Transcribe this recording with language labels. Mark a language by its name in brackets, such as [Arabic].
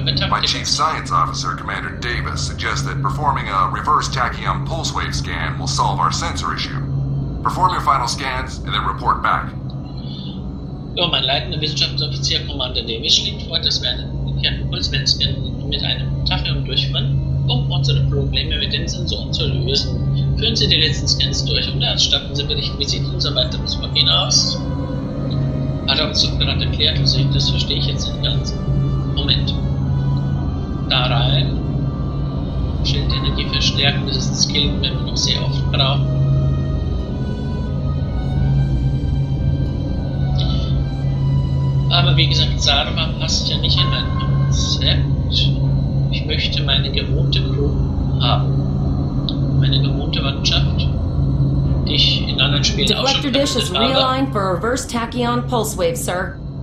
[English] My Chief Science Officer, Commander Davis, suggests that performing a reverse tachyon pulse wave scan will solve our sensor issue. Perform your final scans and then report back. [German] Ja, mein leitender Wissenschaftsoffizier, Commander Davis, schlägt vor, dass wir einen Pulswave-Scan mit einem Tachyon durchführen, um unsere Probleme mit den Sensoren zu lösen. Führen Sie die letzten Scans durch und erstatten Sie Berichten, wie sieht unser weiteres Vorgehen aus? Hat er uns doch gerade erklärt, also das verstehe ich jetzt nicht ganz. Moment. Da rein. Schildenergie verstärken, das ist ein Skill, den wir noch sehr oft brauchen. Aber wie gesagt, Sarma passt ja nicht in mein Konzept. Ich möchte meine gewohnte Crew haben. Meine gewohnte Mannschaft. [English] Deflector dish is realigned for reverse tachyon pulse wave, sir.